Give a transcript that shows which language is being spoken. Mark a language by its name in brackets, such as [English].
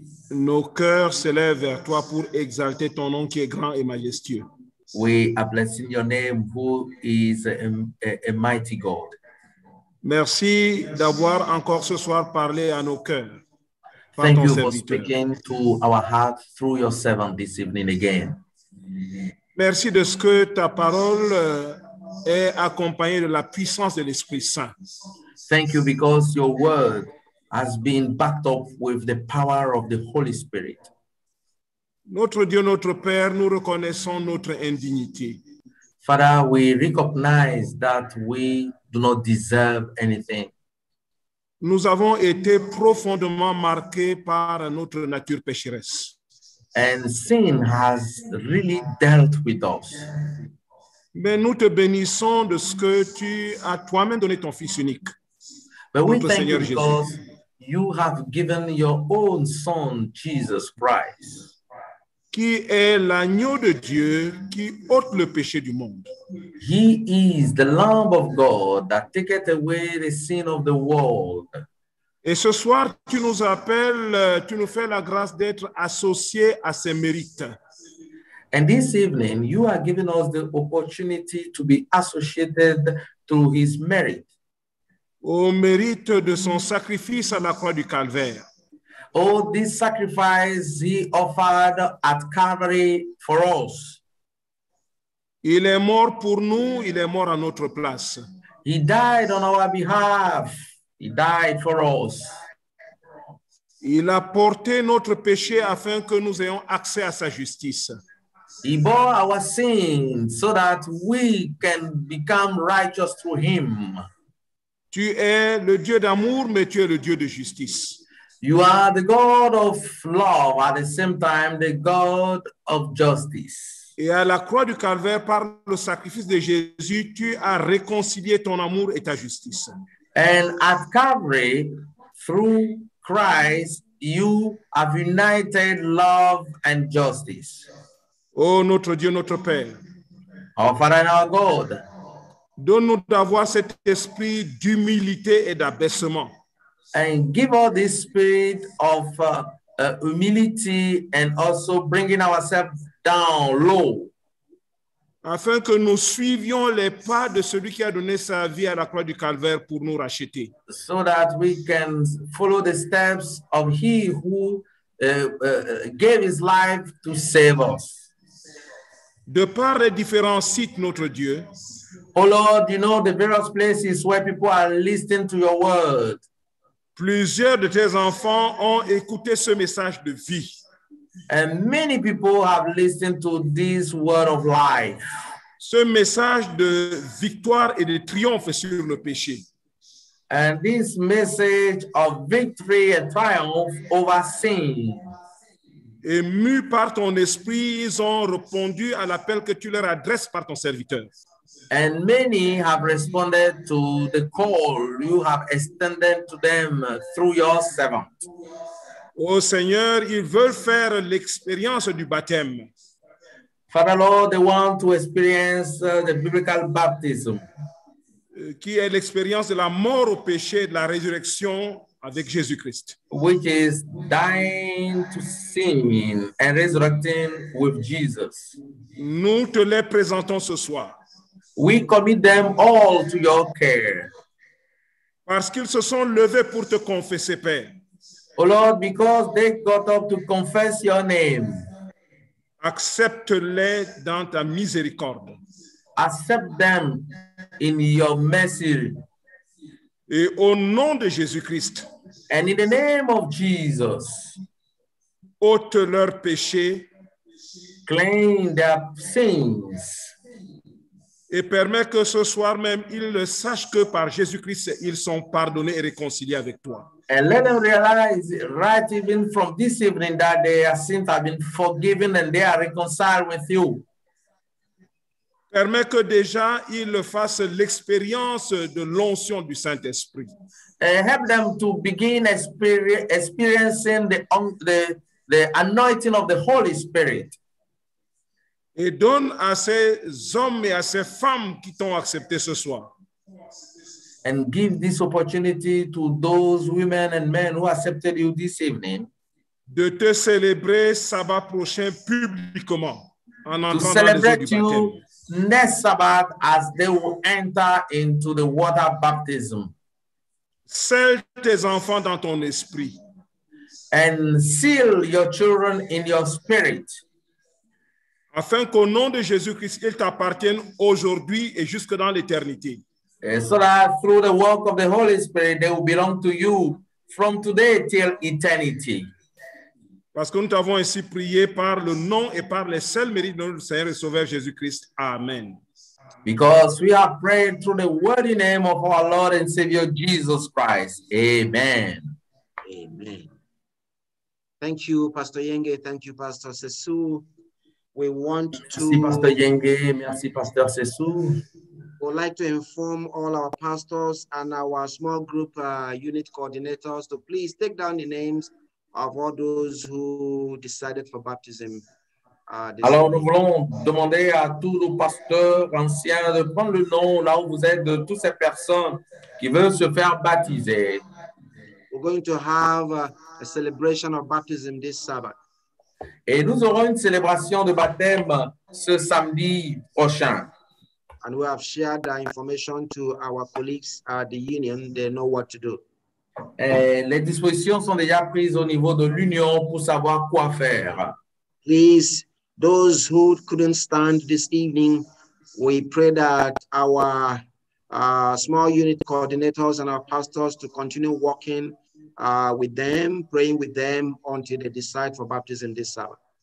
[French] nos cœurs s'élèvent vers toi pour exalter ton nom qui est grand et majestueux. [English] We are blessing your name, who is a mighty God. [French] Merci d'avoir encore ce soir parlé à nos cœurs. [English] Thank you for speaking to our heart through your servant this evening again. [French] Merci de ce que ta parole est accompagnée de la puissance de l'Esprit Saint. [English] Thank you because your word has been backed up with the power of the Holy Spirit. [French] Notre Dieu, notre Père, nous reconnaissons notre indignité. [English] Father, we recognize that we do not deserve anything. [French] Nous avons été profondément marqués par notre nature pécheresse. [English] And sin has really dealt with us. [French] Mais nous te bénissons de ce que tu as toi-même donné ton Fils unique. [English] But we thank you because you have given your own Son, Jesus Christ. [French] Qui est l'agneau de Dieu qui ôte le péché du monde. [English] He is the Lamb of God that taketh away the sin of the world. [French] Et ce soir, tu nous appelles, tu nous fais la grâce d'être associés à ses mérites. [English] And this evening, you are giving us the opportunity to be associated to his merit. [French] Au mérite de son sacrifice à la croix du Calvaire. [English] Oh, this sacrifice he offered at Calvary for us. [French] Il est mort pour nous, il est mort à notre place. [English] He died on our behalf. He died for us. [French] Il a porté notre péché afin que nous ayons accès à sa justice. [English] He bore our sin so that we can become righteous through him. [French] Tu es le Dieu d'amour, mais tu es le Dieu de justice. [English] You are the God of love, at the same time, the God of justice. [French] Et à la croix du Calvaire, par le sacrifice de Jésus, tu as réconcilié ton amour et ta justice. [English] And at Calvary, through Christ, you have united love and justice. [French] Oh, notre Dieu, notre Père. [English] Our Father and our God. [French] Donne-nous d'avoir cet esprit d'humilité et d'abaissement. [English] And give us this spirit of humility and also bringing ourselves down low. [French] Afin que nous suivions les pas de celui qui a donné sa vie à la croix du Calvaire pour nous racheter. [English] So that we can follow the steps of he who gave his life to save us. [French] De par les différents sites, notre Dieu. [English] Oh Lord, you know the various places where people are listening to your word. [French] Plusieurs de tes enfants ont écouté ce message de vie. [English] And many people have listened to this word of life. [French] Ce message de victoire et de triomphe sur le péché. [English] And this message of victory and triumph over sin. [French] Émus par ton esprit, ils ont répondu à l'appel que tu leur adresses par ton serviteur. [English] And many have responded to the call you have extended to them through your servant. [French] Ô Seigneur, ils veulent faire l'expérience du baptême. [English] Father Lord, they want to experience the biblical baptism. [French] Qui est l'expérience de la mort au péché et de la résurrection avec Jésus-Christ. [English] Which is dying to sin and resurrecting with Jesus. [French] Nous te les présentons ce soir. [English] We commit them all to your care. [French] Parce qu'ils se sont levés pour te confesser, Père. [English] Oh Lord, because they got up to confess your name. [French] Accepte-les dans ta miséricorde. [English] Accept them in your mercy. [French] Et au nom de Jésus-Christ. [English] And in the name of Jesus. [French] Ôte leur péché. [English] Clean their sins. [French] Et permet que ce soir même, ils le sachent que par Jésus-Christ, ils sont pardonnés et réconciliés avec toi. [English] And let them realize right even from this evening that their sins have been forgiven and they are reconciled with you. [French] Permet que déjà, ils fassent l'expérience de l'onction du Saint-Esprit. [English] And help them to begin experiencing the anointing of the Holy Spirit. [French] Et donne à ces hommes et à ces femmes qui t'ont accepté ce soir. [English] And give this opportunity to those women and men who accepted you this evening. [French] De te célébrer sabbat prochain publiquement. En [English] to celebrate you next Sabbath as they will enter into the water baptism. [French] Scelle tes enfants dans ton esprit. [English] And seal your children in your spirit. [French] Afin qu'au nom de Jésus-Christ, ils t'appartiennent aujourd'hui et jusque dans l'éternité. [English] And so that through the work of the Holy Spirit, they will belong to you from today till eternity. [French] Parce que nous t'avons ainsi prié par le nom et par les seuls mérites de notre Seigneur et Sauveur Jésus-Christ. Amen. [English] Because we have prayed through the worthy name of our Lord and Savior Jesus Christ. Amen. Amen. Thank you, Pastor Yenge. Thank you, Pastor Sesu. We want to. [French] Merci, Pastor Yenge. Merci, Pastor Sesu. [English] We'd like to inform all our pastors and our small group unit coordinators to please take down the names of all those who decided for baptism. [French] Alors, nous voulons demander à tous nos pasteurs anciens de prendre le nom là où vous êtes de toutes ces personnes qui veulent se faire baptiser. [English] We're going to have a celebration of baptism this Sabbath. [French] Et nous aurons une célébration de baptême ce samedi prochain. [English] And we have shared the information to our colleagues at the union. They know what to do. [French] Et les dispositions sont déjà prises au niveau de l'union pour savoir quoi faire. [English] Please, those who couldn't stand this evening, we pray that our small unit coordinators and our pastors to continue working with them, praying with them until they decide for baptism this Sabbath.